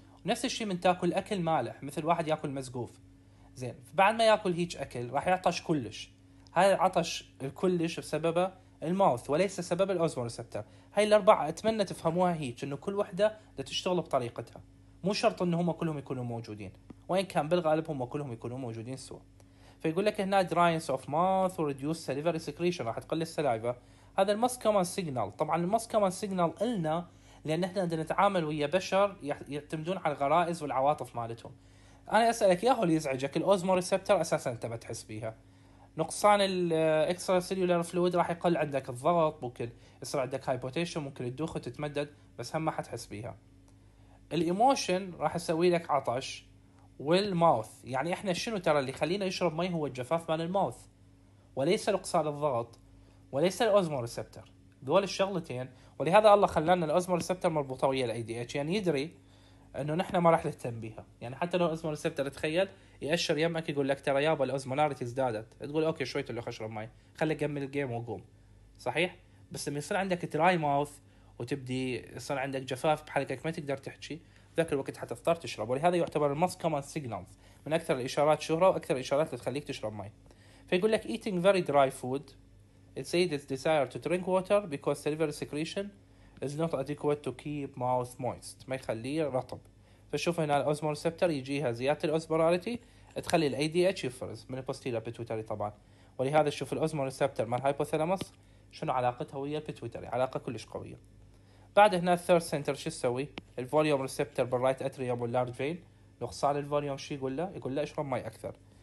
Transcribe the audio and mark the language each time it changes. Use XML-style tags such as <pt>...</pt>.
<ar>ونفس الشيء من تأكل أكل مالح، مثل واحد يأكل مزقوف زين، بعد ما يأكل هيج أكل راح يعطش كلش. هذا العطش الكلش بسببه الماوث وليس سبب الأوزمورسبتر. هاي الأربعة أتمنى تفهموها هيك، إنه كل وحدة لتشتغل بطريقتها، مو شرط إن هما كلهم يكونوا موجودين، وإن كان بالغالب هما كلهم يكونوا موجودين سوا. فيقول لك هنا</ar> <en>dryness of mouth or reduced salivary secretion،</en> <ar>راح تقل السلايفة. هذا</ar> <en>most common signal،</en> <ar>طبعا most common signal إلنا لأن إحنا عندنا نتعامل ويا بشر يعتمدون على الغرائز والعواطف مالتهم. أنا أسألك يا هو اللي يزعجك الأوزمورسبتر أساسا أنت ما تحس بيها، نقصان الاكسترا سيلولار فلويد راح يقل عندك الضغط، ممكن يصير عندك هايبوتيشن، ممكن الدوخه تتمدد، بس هم ما حتحس بيها. الايموشن راح يسوي لك عطش، والماوث. يعني احنا شنو ترى اللي يخلينا يشرب مي هو الجفاف مال الماوث، وليس الاقصاء الضغط، وليس الاوزمو ريسبتر. ذول الشغلتين، ولهذا الله خلانا الاوزمو ريسبتر مربوطه ويا الاي دي اتش، يعني يدري انه نحن ما راح نهتم بيها. يعني حتى لو الاوزمو ريسبتر تخيل ياشر يمك يقول لك ترى يابا الاوزمولاريتي ازدادت، تقول اوكي شوي تلو اشرب مي، خلي اكمل الجيم وقوم. صحيح، بس لما يصير عندك دراي ماوث وتبدي يصير عندك جفاف بحلقك ما تقدر تحكي، ذاك الوقت حتضطر تشرب. ولهذا يعتبر الماوث كمان سيجنالز من اكثر الاشارات شهره واكثر الاشارات اللي تخليك تشرب مي. فيقول لك</ar> <en>eating very dry food it says its desire to drink water because salivary secretion is not adequate to keep mouth moist.</en> <ar>ما يخليه رطب. فشوف هنا الاوزمو ريسبتر يجيها زياده الاوزمولاريتي تخلي الاي دي اتش يفرز من البوستيريور بيتويتري طبعا. ولهذا شوف الاوزمو ريسبتر مال هايبوثالامس شنو علاقتها ويا البيتويتري، علاقه كلش قويه. بعد هنا الثيرد سنتر شو يسوي؟ الفوليوم ريسبتر بالرايت اتريوم واللارج فين، نقصان الفوليوم شو يقول له؟ يقول له اشرب مي اكثر.</ar>